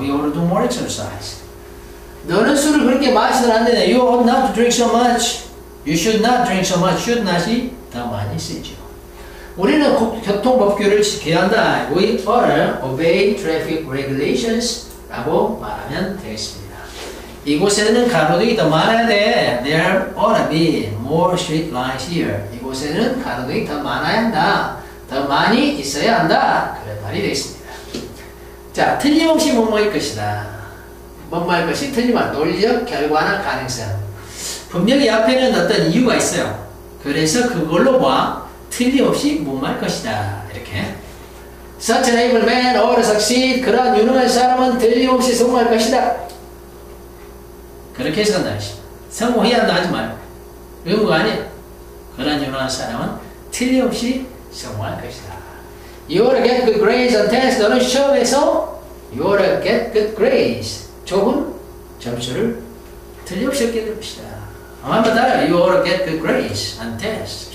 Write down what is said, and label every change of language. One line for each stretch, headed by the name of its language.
English: We ought to do more exercise.
Korean: 너는 술을 그렇게 마시면 안 된다.
English: You ought not to drink so much. You should not drink so much. Should not이
Korean: 더 많이 쓰이죠. 우리는 교통법규를 지켜야 한다.
English: We ought to obey traffic regulations.
Korean: 라고 말하면 되겠습니다. 이곳에는 가로등이 더 많아야 돼.
English: There ought to be more street lights here.
Korean: 이곳에는 가로등이 더 많아야 한다. 더 많이 있어야 한다. 그런 말이 되겠습니다. 자, 틀림없이 뭔말 것이다. 뭔말 것이 틀림없 논리적 결과나 가능성. 분명히 앞에는 어떤 이유가 있어요. 그래서 그걸로 봐 틀림없이 뭔말 것이다. 이렇게.
English: Such an able man ought to succeed.
Korean: 그런 유능한 사람은 틀림없이 성공할 것이다. 그렇게 해서 한다. 성공해야 한다 하지 말고. 그런 거 아니야. 그런 유능한 사람은 틀림없이 성공할 것이다.
English: You ought to get good grades on test.
Korean: 너는 시험에서
English: You ought to get good grades.
Korean: 좋은 점수를 틀림없이 얻게 될 것이다. 한번 따라.
English: You ought to get good grades on test.